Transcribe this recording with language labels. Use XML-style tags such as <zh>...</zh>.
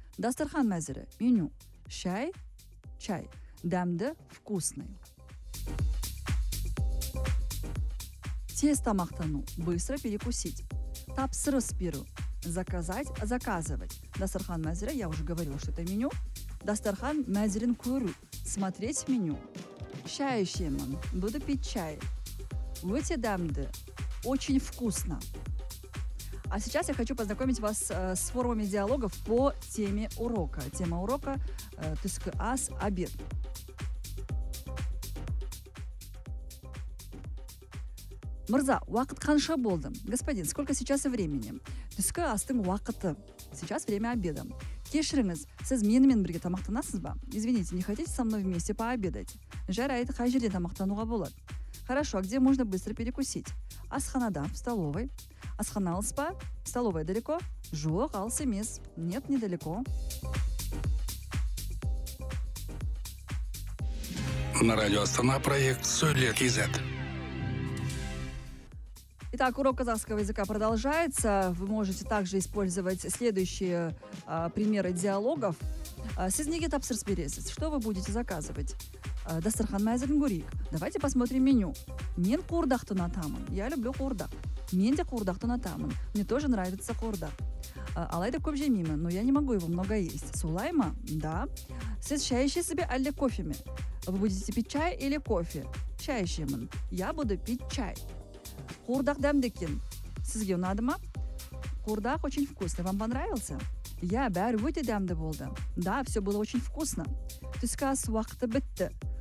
<kk>Дастархан мәзірі – меню. Шай – чай. Дәмді вкусный. Тез тамақтану –</kk> <ru>быстро перекусить.</ru> <kk>Тапсырыс беру</kk> <ru>– заказать, заказывать.</ru> <kk>Дастархан мәзірі</kk> <ru>– я уже говорила, что это меню.</ru> <kk>Дастархан мәзірін көру –</kk> <ru>смотреть меню.</ru> <kk>Шай ішемін –</kk> <ru>буду пить чай.</ru> <kk>Өте дәмді –</kk> <ru>очень вкусно. А сейчас я хочу познакомить вас с формами диалогов по теме урока. Тема урока «Түскі ас – обед».</ru> <kk>Мырза, уақыт қанша болды?</kk> <ru>Господин, сколько сейчас времени?</ru> <kk>Түскі астың уақыты.</kk> <ru>Сейчас время обеда.</ru> <kk>Кешіріңіз, сіз менімен бірге тамақтанасыз ба?</kk> <ru>Извините, не хотите со мной вместе пообедать?</ru> <kk>Жарайды, қай жерде тамақтануға болады?</kk> <ru>Хорошо, а где можно быстро перекусить?</ru> <kk>Асханада,</kk> <ru>в столовой.</ru> <kk>Асхана алыс па?</kk> <ru>Столовая далеко?</ru> <kk>Жоқ, алыс емес.</kk> <ru>Нет, недалеко. На радио Астана проект «Сулья KZ». Итак, урок казахского языка продолжается. Вы можете также использовать следующие примеры диалогов.</ru> <kk>Сизнеге тапсырыс бересіз.</kk> <ru>Что вы будете заказывать?</ru> <kk>Дастархан мәзірін көрейік.</kk> <ru>Давайте посмотрим меню.</ru> <kk>Мен қуырдақты ұнатамын.</kk> <ru>Я люблю қуырдақ.</ru> <kk>Мен де қуырдақты ұнатамын.</kk> <ru>Мне тоже нравится қуырдақ.</ru> <kk>Алайда көп жемеймін.</kk> <ru>Но я не могу его много есть.</ru> <kk>Солай ма? Да. Сіз шай ішесіз бе әлде кофе ме?</kk> <ru>Вы будете пить чай или кофе?</ru> <kk>Шай ішемін.</kk> <ru>Я буду пить чай.</ru> <kk>Қуырдақ дәмді екен. Сізге ұнады ма? Қуырдақ</kk> <ru>очень вкусный. Вам понравился?</ru> <kk>Я бәрі өте дәмді болды.</kk> <ru>Да, все было очень вкусно.</ru> <kk>Түскі ас уақыты бітті.</kk>